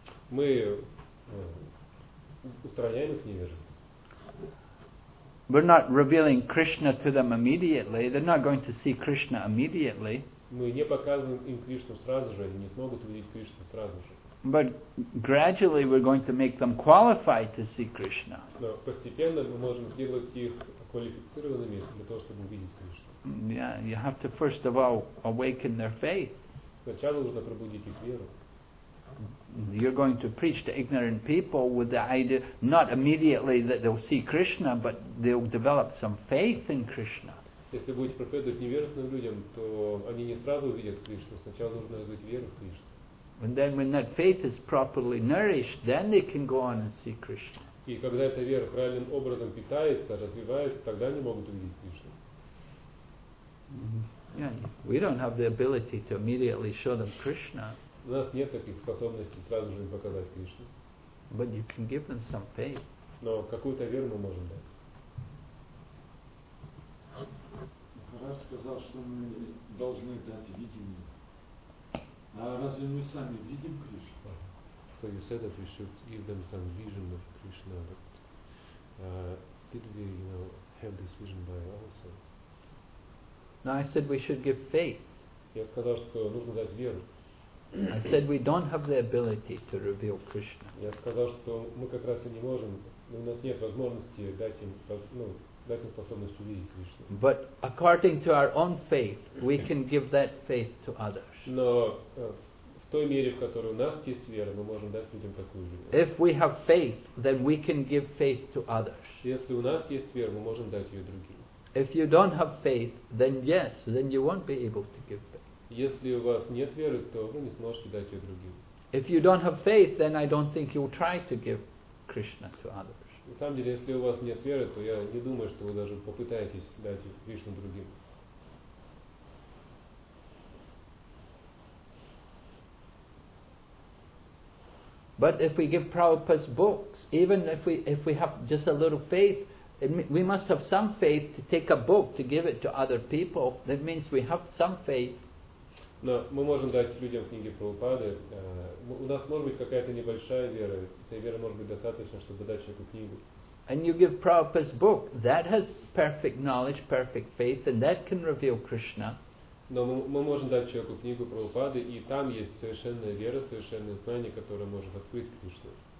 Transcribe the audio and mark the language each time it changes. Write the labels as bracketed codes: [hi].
[ru] Мы устраняем их невежество. [en] We're not revealing Krishna to them immediately. They're not going to see Krishna immediately. [ru] Мы не показываем им Кришну сразу же, они не смогут увидеть Кришну сразу же. [en] But gradually we're going to make them qualify to see Krishna. [ru] Но постепенно мы можем сделать их квалифицированными для того, чтобы увидеть Кришну. [en] Yeah, you have to first of all awaken their faith. [ru] Сначала нужно пробудить их веру. [en] You're going to preach to ignorant people with the idea not immediately that they'll see Krishna, but they'll develop some faith in Krishna. [ru] Если будете проповедовать невежественным людям, то они не сразу увидят Кришну. Сначала нужно развить веру в Кришну. [en] And then when that faith is properly nourished, then they can go on and see Krishna. [ru] И когда эта вера правильным образом питается, развивается, тогда они могут увидеть Кришну. [en] Yeah, we don't have the ability to immediately show them Krishna. [ru] У нас нет таких способностей сразу же им показать Кришну. [en] But you can give them some faith. [ru] Но какую-то веру мы можем дать. Раз сказал, что мы должны дать видение. А разве мы сами видим Кришну? [en] So you said that we should give them some vision of Krishna, but did we, you know, have this vision by ourselves? No, I said we should give faith. [ru] Я сказал, что нужно дать веру. [en] I said we don't have the ability to reveal Krishna. [ru] Я сказал, что мы как раз и не можем, у нас нет возможности дать им, ну, дать им способность увидеть Кришну. [en] But according to our own faith, we can give that faith to others. [ru] Но в той мере, в которой у нас есть вера, мы можем дать людям такую веру. [en] If we have faith, then we can give faith to others. [ru] Если у нас есть вера, мы можем дать ее другим. [en] If you don't have faith, then yes, then you won't be able to give faith. [ru] Если у вас нет веры, то вы не сможете дать ее другим. [en] If you don't have faith, then I don't think you'll try to give Krishna to others. [ru] На самом деле, если у вас нет веры, то я не думаю, что вы даже попытаетесь дать Кришну другим. [en] But if we give Prabhupada's books, even if we have just a little faith, we must have some faith to take a book to give it to other people. That means we have some faith. [ru] Но мы можем дать людям книги Прабхупады. У нас может быть какая-то небольшая вера. Этой веры может быть достаточно, чтобы дать человеку книгу. [en] And you give Prabhupada's book, that has perfect knowledge, perfect faith, and that can reveal Krishna. [ru] Но мы можем дать человеку книгу Прабхупады, и там есть совершенная вера, совершенное знание, которое может открыть Кришну.